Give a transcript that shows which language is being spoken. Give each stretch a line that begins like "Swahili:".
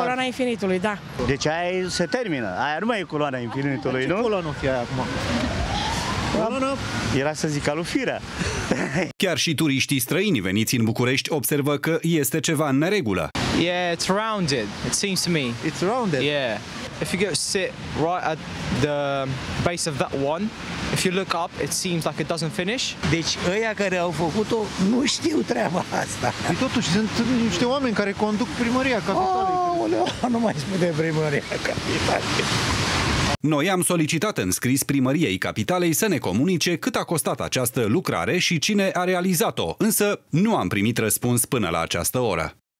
Romanian: Coloana Infinitului, da. Deci aia se termină. Aia nu mai e Coloana Infinitului, nu? Ce coloană o fie aia acum? Era să zic alufirea. Chiar și turiștii străini veniți în București observă că este ceva în neregulă.
English: Yeah, it's rounded, it seems to me. It's rounded? Yeah. if you go sit right at the base of that one, if you look up, it seems like it doesn't finish.
Romanian: Deci ăia care au făcut-o nu știu treaba asta. Și totuși sunt niște oameni care conduc primăria capitalei. Oh, nu mai spune primăria capitalei. Noi am solicitat în scris primăriei capitalei să ne comunice cât a costat această lucrare și cine a realizat-o, însă nu am primit răspuns până la această oră.